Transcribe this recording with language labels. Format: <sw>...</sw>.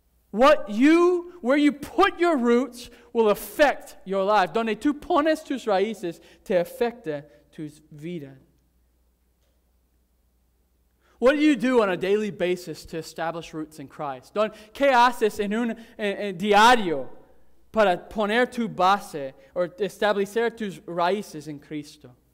<en>Where you put your roots will affect your life.</en> <es>Donde tú pones tus raíces te afecta tu vida.</es> <en>What do you do on a daily basis to establish roots in Christ?</en> <es>¿Qué haces en un diario para poner tu base o establecer tus raíces en Cristo?</es>